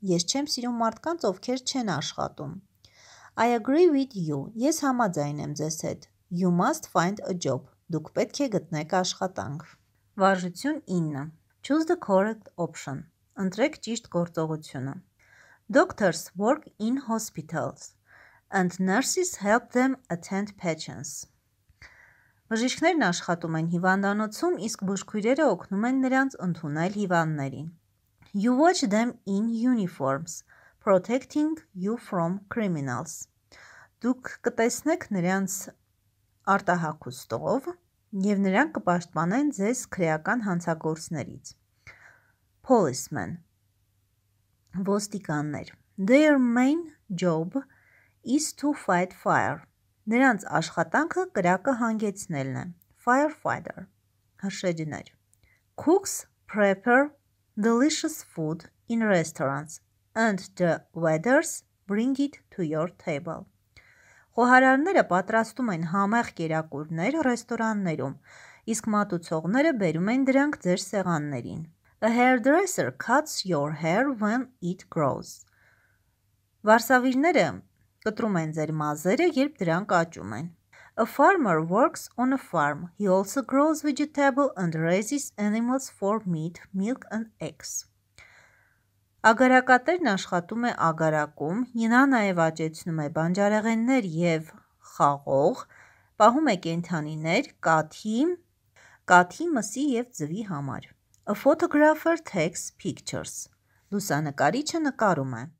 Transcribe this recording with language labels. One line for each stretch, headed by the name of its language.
Armenian: Ես չեմ սիրում մարդկանց, ովքեր չեն աշխատում.
English: I agree with you.
Armenian: Ես համաձայն եմ ձեզ հետ.
English: You must find a job.
Armenian: Դուք պետք է գտնեք աշխատանք. Վարժություն 9.
English: Choose the correct option.
Armenian: Ընտրեք ճիշտ գործողությունը.
English: Doctors work in hospitals and nurses help them attend patients.
Armenian: Բժիշկներն աշխատում են հիվանդանոցում, իսկ բուժքույրերը օգնում են նրանց ընդունել հիվանդներին։
English: You watch them in uniforms, protecting you from criminals.
Armenian: Դուք կտեսնեք նրանց արտահագուստով և նրանք կպաշտպանեն ձեզ քրեական հանցագործներից։
English: Policemen.
Armenian: Ոստիկաններ.
English: Their main job is to fight fire.
Armenian: Նրանց աշխատանքը կրակը հանգեցնելն է.
English: Firefighter.
Armenian: Հրշեջներ.
English: Cooks prepare delicious food in restaurants and the waiters bring it to your table.
Armenian: Խոհարարները պատրաստում են համեղ կերակուրներ ռեստորաններում, իսկ մատուցողները բերում են դրանք ձեր սեղաններին.
English: A hairdresser cuts your hair when it grows.
Armenian: Վարսավիրները կտրում են ձեր մազերը, երբ դրանք աճում են.
English: A farmer works on a farm. He also grows vegetables and raises animals for meat, milk and eggs.
Armenian: Ագարակատերն աշխատում է ագարակում, նա նաև աճեցնում է բանջարեղեններ և խաղող, պահում է կենդանիներ, կաթի, մսի և ձվի համար.
English: A photographer takes pictures.
Armenian: Լուսանկարիչը նկարում է.